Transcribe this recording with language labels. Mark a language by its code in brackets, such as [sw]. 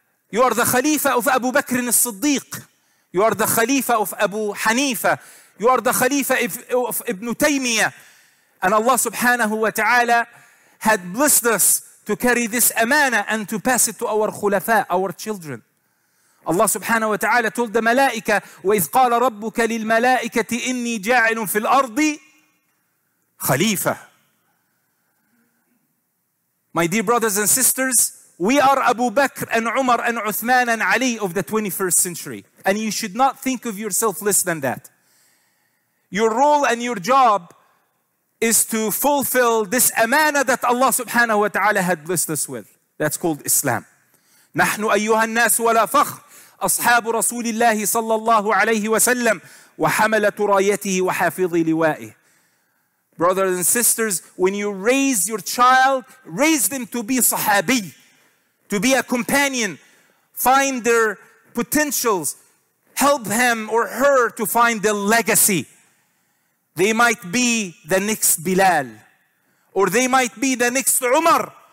[en] You are the khalifa of Abu Bakr al-Siddiq. You are the khalifa of Abu Hanifa. You are the khalifa of Ibn Taymiyyah. And Allah subhanahu wa ta'ala had blessed us to carry this amana and to pass it to our khulafa, our children. Allah subhanahu wa ta'ala told the malaika, [ar] وَإِذْ قَالَ رَبُّكَ لِلْمَلَائِكَةِ إِنِّي جَاعِلٌ فِي الْأَرْضِ خَلِيفَ. [en] My dear brothers and sisters, we are Abu Bakr and Umar and Uthman and Ali of the 21st century. And you should not think of yourself less than that. Your role and your job is to fulfill this amana that Allah subhanahu wa ta'ala had blessed us with. That's called Islam. [ar] نحن أيها الناس ولا فخر أصحاب رسول الله صلى الله عليه وسلم وحملة رايته وحافظ لوائه. [en] Brothers and sisters, when you raise your child, raise them to be sahabi, to be a companion. Find their potentials. Help him or her to find their legacy. They might be the next Bilal, or they might be the next Umar.